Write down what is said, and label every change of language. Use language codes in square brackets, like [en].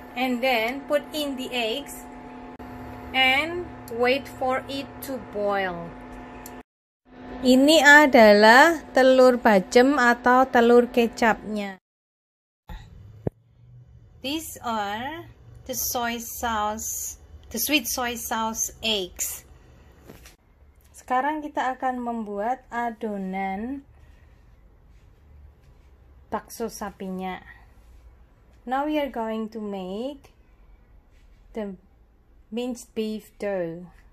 [en] And then put in the eggs and wait for it to boil. [id] Ini adalah telur bacem atau telur kecapnya. [en] These are the soy sauce, the sweet soy sauce eggs. [id] Sekarang kita akan membuat adonan bakso sapinya. [en] Now we are going to make the minced beef dough.